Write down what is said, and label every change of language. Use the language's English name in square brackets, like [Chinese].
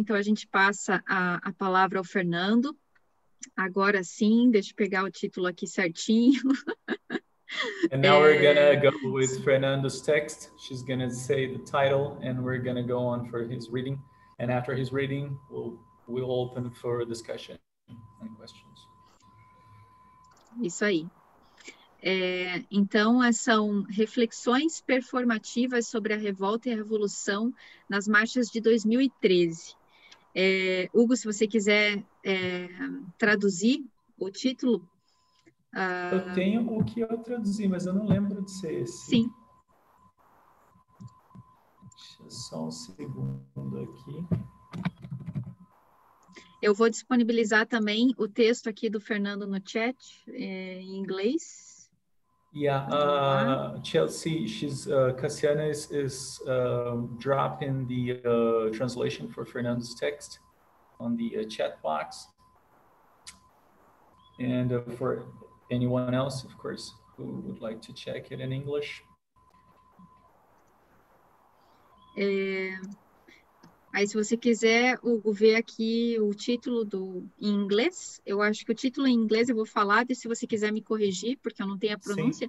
[Portuguese] Então a gente passa a palavra ao Fernando. Agora sim, deixa eu pegar o título aqui certinho. [English] And now we're gonna go with Fernando's text. She's gonna say the title, and we're gonna go on for his reading. And after his reading, we'll open for discussion and questions. [Portuguese] Isso aí. Então, são reflexões performativas sobre a revolta e a revolução nas marchas de 2013. Hugo, se você quiser traduzir o título. Eu tenho o que eu traduzi, mas eu não lembro de ser esse. Sim. Deixa só um segundo aqui. Eu vou disponibilizar também o texto aqui do Fernando no chat, em inglês. [English] Yeah, Chelsea, Cassiana is dropping the translation for Fernando's text on the chat box. And for anyone else, of course, who would like to check it in English? [Portuguese] Aí, se você quiser, Hugo, ver aqui o título do, em inglês. Eu acho que o título em inglês eu vou falar, e se você quiser me corrigir, porque eu não tenho a pronúncia.